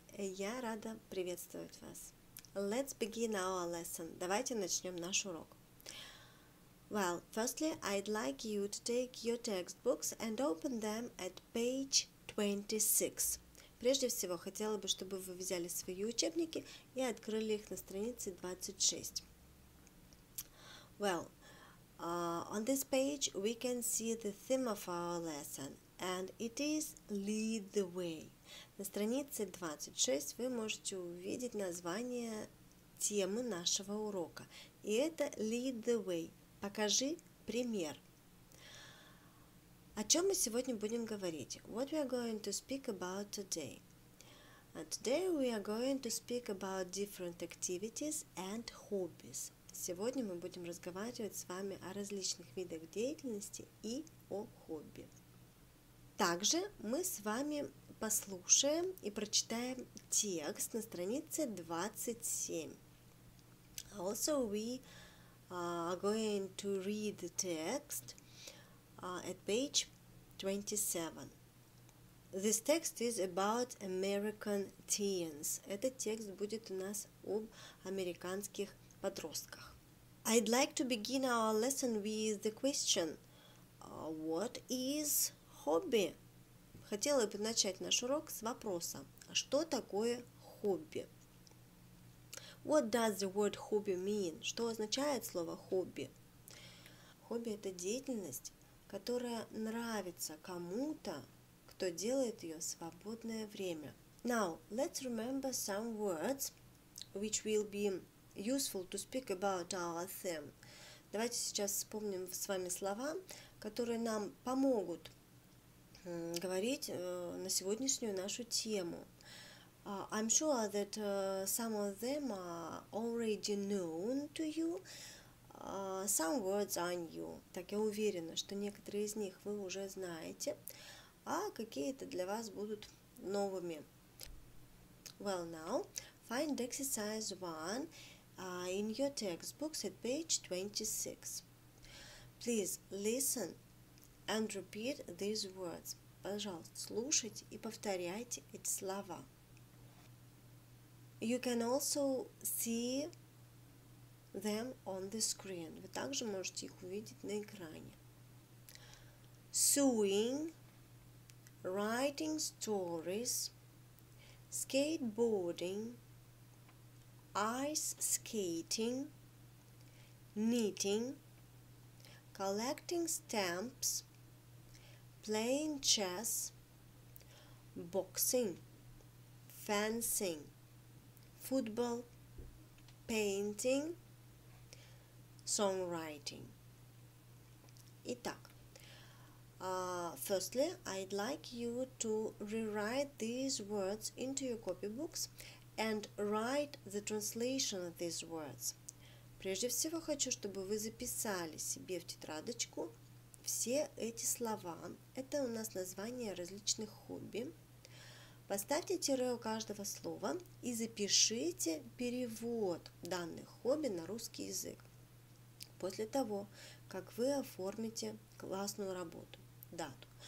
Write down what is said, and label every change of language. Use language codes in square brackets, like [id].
[ru] Я рада приветствовать вас. [en] Let's begin our lesson. [ru] Давайте начнем наш урок. [en] Well, firstly, I'd like you to take your textbooks and open them at page 26. [ru] Прежде всего, хотела бы, чтобы вы взяли свои учебники и открыли их на странице 26. [en] Well, on this page we can see the theme of our lesson, and it is Lead the Way. [ru] На странице 26 вы можете увидеть название темы нашего урока. И это Lead the Way. Покажи пример. О чем мы сегодня будем говорить? [en] What we are going to speak about today? Today we are going to speak about different activities and hobbies. [ru] Сегодня мы будем разговаривать с вами о различных видах деятельности и о хобби. Также мы с вами послушаем и прочитаем текст на странице 27. [en] Also, we are going to read the text at page 27. This text is about American teens. [ru] Этот текст будет у нас об американских подростках. [en] I'd like to begin our lesson with the question, what is hobby? [ru] Хотела бы начать наш урок с вопроса, что такое хобби? [en] What does the word hobby mean? [ru] Что означает слово хобби? Хобби – это деятельность, которая нравится кому-то, кто делает ее в свободное время. [en] Now, let's remember some words, which will be useful to speak about our theme. [ru] Давайте сейчас вспомним с вами слова, которые нам помогут говорить на сегодняшнюю нашу тему. [en] I'm sure that some of them are already known to you. Some words are new. [ru] Так я уверена, что некоторые из них вы уже знаете, а какие-то для вас будут новыми. [en] Well, now, find exercise one in your textbooks at page 26. Please listen and repeat these words. [ru] Пожалуйста, слушайте и повторяйте эти слова. [en] You can also see them on the screen. [ru] Вы также можете их увидеть на экране. [en] Sewing, writing stories, skateboarding, ice skating, knitting, collecting stamps, playing chess, boxing, fencing, football, painting, songwriting. [ru] Итак, [en] firstly, I'd like you to rewrite these words into your copybooks and write the translation of these words. [ru] Прежде всего, хочу, чтобы вы записали себе в тетрадочку все эти слова. Это у нас название различных хобби. Поставьте тире у каждого слова и запишите перевод данных хобби на русский язык после того, как вы оформите классную работу, дату.